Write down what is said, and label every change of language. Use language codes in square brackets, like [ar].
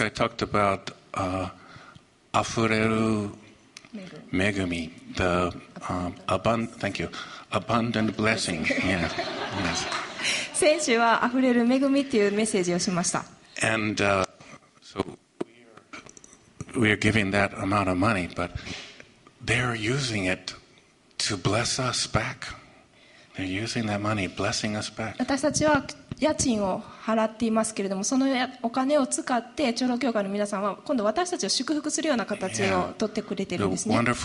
[en] Last week I talked about [ja] あふれるMegumi, [en] the abundant blessing. Yeah. [ja] 先週は溢れる恵みっていうメッセージをしました。 [en] And so we are giving that amount of money, but they're using it to bless us back. They're using that money blessing us back. [ja] 私たちは家賃を払っていますけれども、そのお金を使って長老教会の皆さんは今度私たちを祝福するような形を取ってくれているんですね。